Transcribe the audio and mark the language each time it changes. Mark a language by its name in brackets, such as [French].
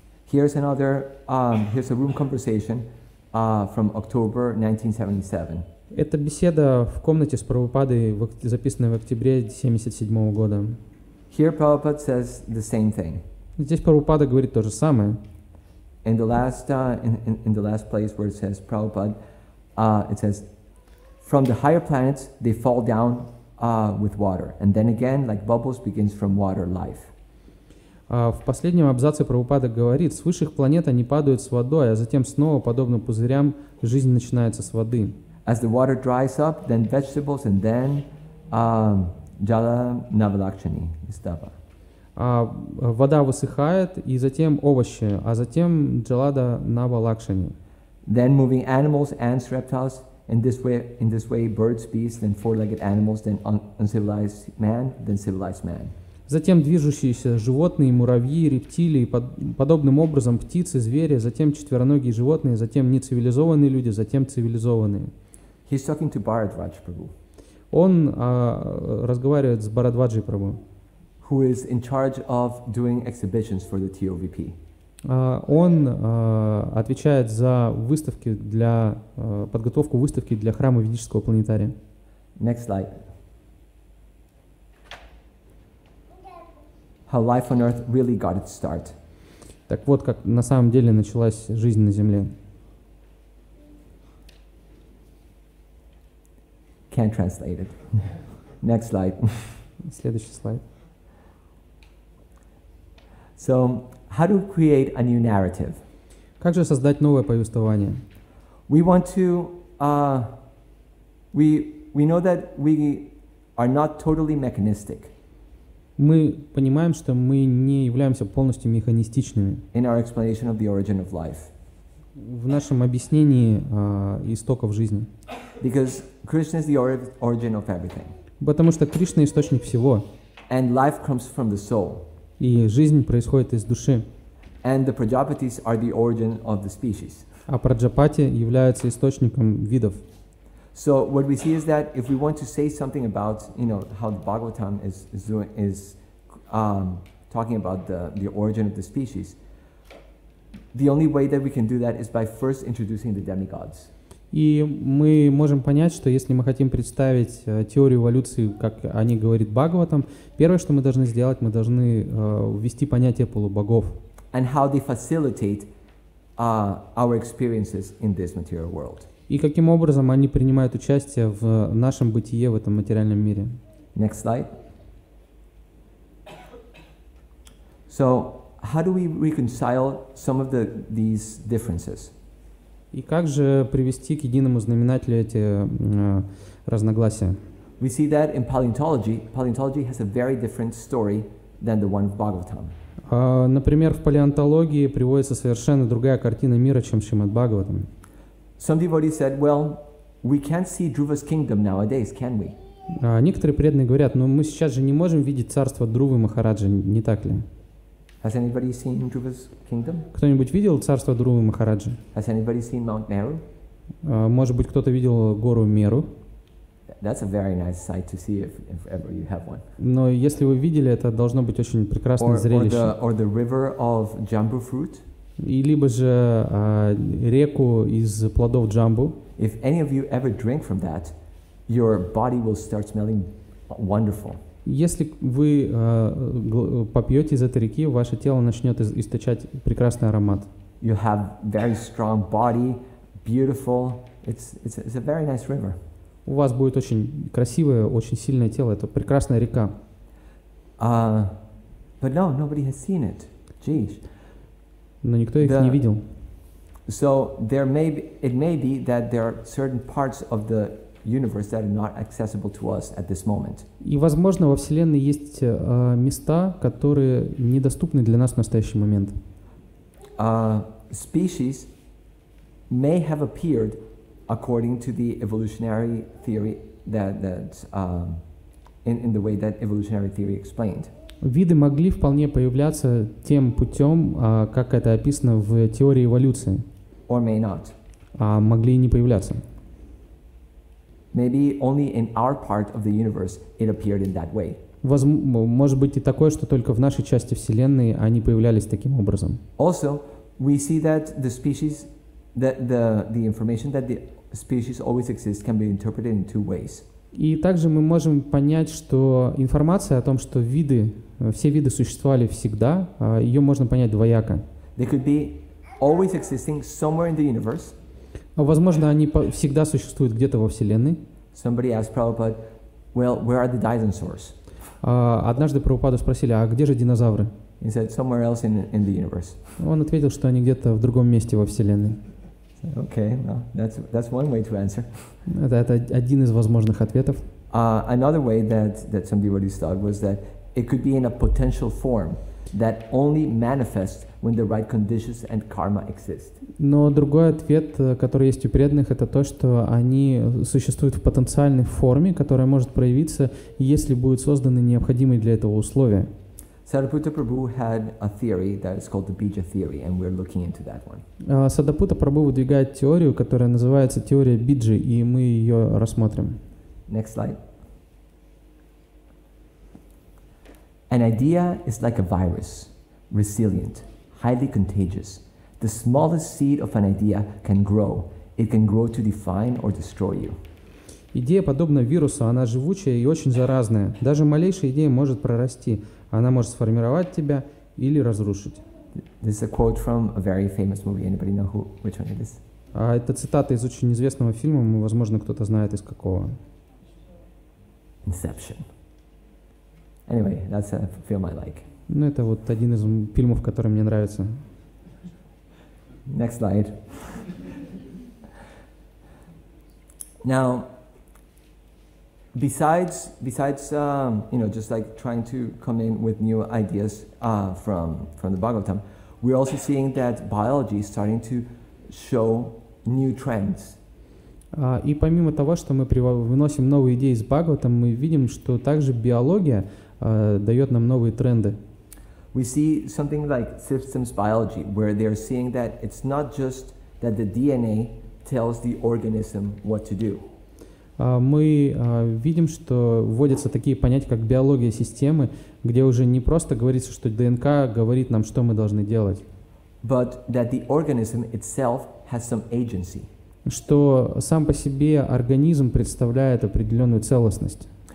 [English] Here's another here's a room conversation from October 1977. [Russian] Это беседа в комнате с Прабхупадой, записанная в октябре 1977 года. [English] Here Prabhupada says the same thing. [Russian] Здесь Прабхупада говорит то же самое. [English] In the last in the last place where it says Prabhupada, it says, from the higher planets they fall down with water, and then again like bubbles begins from water life. [Russian] В последнем абзаце Прабхупада говорит, с высших планет они падают с водой, а затем снова подобно пузырям жизнь начинается с воды. [English] As the water dries up, then vegetables, and then Jala Navalakshani Stava. [Russian] Вода высыхает, и затем овощи, а затем Джалада Навалакшани. [English] Then moving animals, ants, reptiles, in this way birds, beasts, then four-legged animals, then uncivilized man, then civilized man. [Russian] Затем движущиеся животные, муравьи, рептилии, подобным образом птицы, звери, затем четвероногие животные, затем нецивилизованные люди, затем цивилизованные. [English] He's talking to Bharadvaj Prabhu. [Russian] Он разговаривает с Бхарадваджей Прабху. [English] Who is in charge of doing exhibitions for the TOVP? [Russian] Он отвечает за выставки для подготовку выставки для храма ведического планетария. [English] Next slide. How life on Earth really got its start. [Russian] Так вот, как на самом деле началась жизнь на Земле. [English] Can't translate it. Next slide. [Russian] Следующий слайд. [English] So, how to create a new narrative? [Russian] Как же создать новое повествование? [English] We want to, we know that we are not totally mechanistic. [Russian] Мы понимаем, что мы не являемся полностью механистичными. [English] In our explanation of the origin of life. [Russian] В нашем объяснении истоков жизни. [English] Because Krishna is the origin of everything. [Russian] Потому что Кришна источник всего. [English] And life comes from the soul. [Russian] И жизнь происходит из души. [English] And the Prajapatis are the origin of the species. [Russian] А Праджапати являются источником видов. [English] So what we see is that if we want to say something about, you know, how the Bhagavatam is talking about the origin of the species, the only way that we can do that is by first introducing the demigods. [Russian] И мы можем понять, что если мы хотим представить теорию эволюции, как о ней говорит Бхагаватам, первое, что мы должны сделать, мы должны ввести понятие полубогов. [English] And how they facilitate our experiences in this material world. [Russian] И каким образом они принимают участие в нашем бытие в этом материальном мире. [English] Next slide. So, how do we reconcile some of these differences? [Russian] И как же привести к единому знаменателю эти разногласия? [English] We see that in paleontology has a very different story than the one of Bhagavatam. [Russian] Например, в палеонтологии приводится совершенно другая картина мира, чем Шримад Бхагаватам. [English] Some devotees said, "Well, we can't see Dhruva's kingdom nowadays, can we?" [Russian] Некоторые преданные говорят, но мы сейчас же не можем видеть царство Друвы Махараджи, не так ли? [English] Has anybody seen Dhruva's kingdom? [Russian] Кто-нибудь видел царство Друвы Махараджи? [English] Has anybody seen Mount Meru? [Russian] Может быть, кто-то видел гору Меру? [English] That's a very nice sight to see if ever you have one. [Russian] Но если вы видели, это должно быть очень прекрасное зрелище. [English] Or the river of jambu fruit. [Russian] И либо же реку из плодов джамбу. [English] If any of you ever drink from that, your body will start smelling wonderful. [Russian] Если вы попьете из этой реки, ваше тело начнет источать прекрасный аромат. [English] You have very strong body, beautiful. It's a very nice river. [Russian] У вас будет очень красивое, очень сильное тело. Это прекрасная река. [English] But no, nobody has seen it. Jeez. [Russian] Но никто их не видел. [English] So there may be, it may be that there are certain parts of the universe that are not accessible to us at this moment. [Russian] И возможно, во Вселенной есть места, которые недоступны для нас в настоящий момент. [English] Species may have appeared according to the evolutionary theory in the way that evolutionary theory explained. [Russian] Виды могли вполне появляться тем путем, как это описано в теории эволюции. [English] Or may not. [Russian] Могли и не появляться. [English] Maybe only in our part of the universe it appeared in that way. [Russian] Может быть и такое, что только в нашей части Вселенной они появлялись таким образом. [English] Also, we see that the species, the information that the species always exist can be interpreted in two ways. [Russian] И также мы можем понять, что информация о том, что виды, все виды существовали всегда, ее можно понять двояко. [English] They could be always existing somewhere in the universe. [Russian] Возможно, они всегда существуют где-то во Вселенной. [English] Somebody asked Prabhupada, "Well, where are the dinosaurs?" [Russian] Однажды Прабхупаду спросили, а где же динозавры? [English] He said, "Somewhere else in the universe." [Russian] Он ответил, что они где-то в другом месте во Вселенной. [English] Okay, well, that's one way to answer. [Russian] Это один из возможных ответов. [English] Another way that some devotees thought was that it could be in a potential form that only manifests when the right conditions and karma exist. [Russian] Но другой ответ, который есть у преданных, это то, что они существуют в потенциальной форме, которая может проявиться, если будут созданы необходимые для этого условия. [English] Sariputta Prabhu had a theory that is called the Bija theory, and we're looking into that one. [Russian] Sariputta Prabhu выдвигает теорию, которая называется теория Биджи, и мы ее рассмотрим. [English] Next slide. An idea is like a virus, resilient, highly contagious. The smallest seed of an idea can grow. It can grow to define or destroy you. [Russian] Идея подобна вирусу, она живучая и очень заразная. Даже малейшая идея может прорасти. Она может сформировать тебя или разрушить. [English] This is a quote from a very famous movie. Anybody know which one it is? [Russian] Это цитата из очень известного фильма. Возможно, кто-то знает из какого. [English] Inception. Anyway, that's a film I like. [Russian] Ну, это вот один из фильмов, который мне нравится. [English] Next slide. Now, besides, just like trying to come in with new ideas from the Bhagavatam, we're also seeing that biology is starting to show new trends. [Russian] И помимо того, что мы вносим новые идеи из Бхагаватам, мы видим, что также биология дает нам новые тренды. [English] We see something like systems biology, where they're seeing that it's not just that the DNA tells the organism what to do. [Russian] Мы видим, что вводятся такие понятия, как биология системы, где уже не просто говорится, что ДНК говорит нам, что мы должны делать. [English] But that the organism itself has some agency. [Russian] Что сам по себе организм представляет определенную целостность.